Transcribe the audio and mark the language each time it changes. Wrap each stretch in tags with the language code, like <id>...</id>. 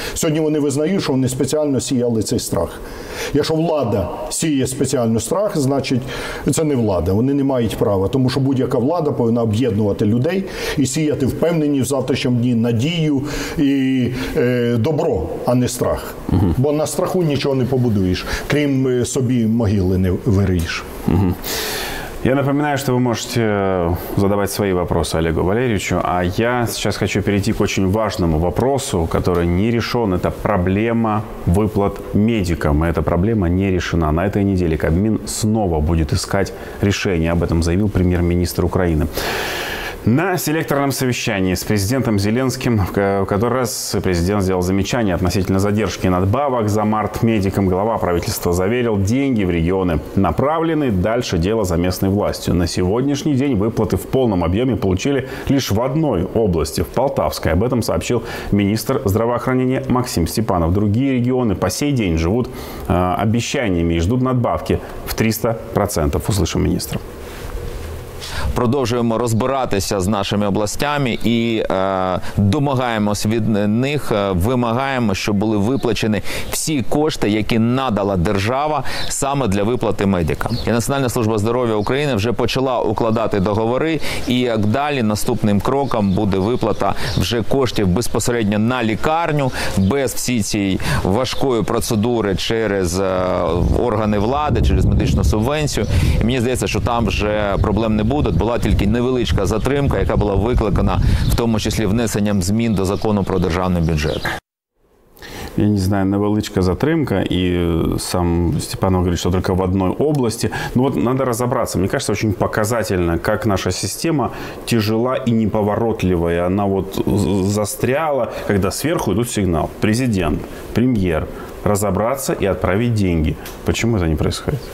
<uk>Сьогодні вони визнають, що вони спеціально сіяли цей страх. Якщо влада сіє спеціально страх, значить це не влада, вони не мають права. Тому що будь-яка влада повинна об'єднувати людей і сіяти впевнені в завтрашньому дні надію і добро, а не страх. Угу. Бо на страху нічого не побудуєш, крім собі могили не виріш. Угу.</uk> <ru>Я напоминаю, что вы можете задавать свои вопросы Олегу Валерьевичу, а я сейчас хочу перейти к очень важному вопросу, который не решен. Это проблема выплат медикам, и эта проблема не решена. На этой неделе Кабмин снова будет искать решение, об этом заявил премьер-министр Украины. На селекторном совещании с президентом Зеленским, в который раз президент сделал замечание относительно задержки надбавок за март медикам, глава правительства заверил, деньги в регионы направлены, дальше дело за местной властью. На сегодняшний день выплаты в полном объеме получили лишь в одной области, в Полтавской. Об этом сообщил министр здравоохранения Максим Степанов. Другие регионы по сей день живут обещаниями и ждут надбавки в 300%. Услышим министра.</ru> <uk>Продовжуємо розбиратися з нашими областями і домагаємось від них, вимагаємо, щоб були виплачені всі кошти, які надала держава саме для виплати медикам. І Національна служба здоров'я України вже почала укладати договори, і як далі наступним кроком буде виплата вже коштів безпосередньо на лікарню, без всієї цієї важкої процедури через органи влади, через медичну субвенцію. І мені здається, що там вже проблем не буде. Була тільки невеличка затримка, яка була викликана, в тому числі, внесенням змін до закону про державний бюджет.</uk> <ru>Я не знаю,</ru> <uk>невеличка затримка,</uk> <ru>и сам Степанов говорит, что только в одной области. Ну вот надо разобраться. Мне кажется, очень показательно, как наша система тяжела и неповоротливая. Она вот застряла, когда сверху идут сигнал. Президент, премьер, разобраться и отправить деньги. Почему это не происходит?</ru>